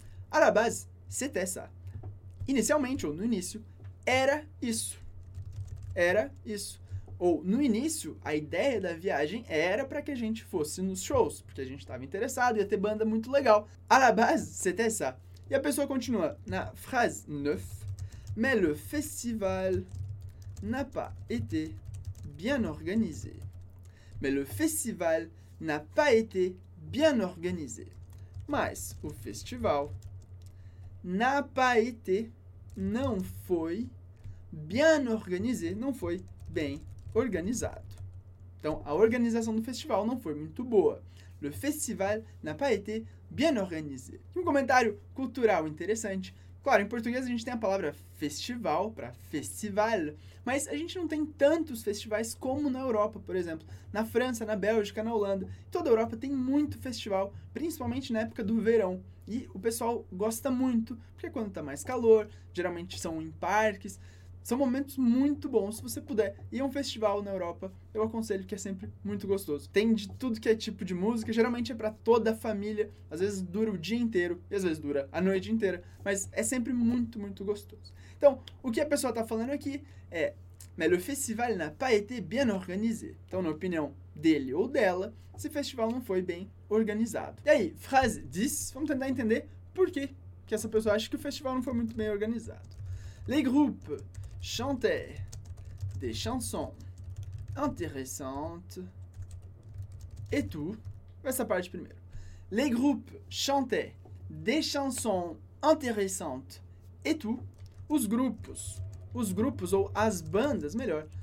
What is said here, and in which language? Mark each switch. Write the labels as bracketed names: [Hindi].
[French] À la base, c'était ça. [Portuguese] Inicialmente ou no início, era isso. Era isso. Ou, no início, a ideia da viagem era para que a gente fosse nos shows, porque a gente estava interessado, ia ter banda muito legal. [French] À la base, c'était ça. [Portuguese] E a pessoa continua na frase 9. [French] Mais le festival n'a pas été bien organisé. Mais le festival n'a pas été bien organisé. [Portuguese] Mas o festival [French] n'a pas été, [Portuguese] não foi, [French] bien organisé, [Portuguese] não foi bem organizado. Então, a organização do festival não foi muito boa. [French] Le festival n'a pas été bien organisé. [Portuguese] Um comentário cultural interessante. Claro, em português a gente tem a palavra festival para festival, mas a gente não tem tantos festivais como na Europa, por exemplo. Na França, na Bélgica, na Holanda. Toda a Europa tem muito festival, principalmente na época do verão. E o pessoal gosta muito, porque é quando tá mais calor, geralmente são em parques. São momentos muito bons, se você puder ir a um festival na Europa, eu aconselho, que é sempre muito gostoso. Tem de tudo que é tipo de música, geralmente é pra toda a família, às vezes dura o dia inteiro, e às vezes dura a noite inteira, mas é sempre muito, muito gostoso. Então, o que a pessoa tá falando aqui é, [French] mais le festival n'a pas été bien organisé. [Portuguese] Então, na opinião dele ou dela, esse festival não foi bem organizado. E aí, frase diz, vamos tentar entender por que que essa pessoa acha que o festival não foi muito bem organizado. [French] Les groupes chantaient des chansons intéressantes et tout. [Portuguese] Essa parte primeiro. [French] Les groupes chantaient des chansons intéressantes et tout. [Portuguese] Os grupos ou as bandas, melhor.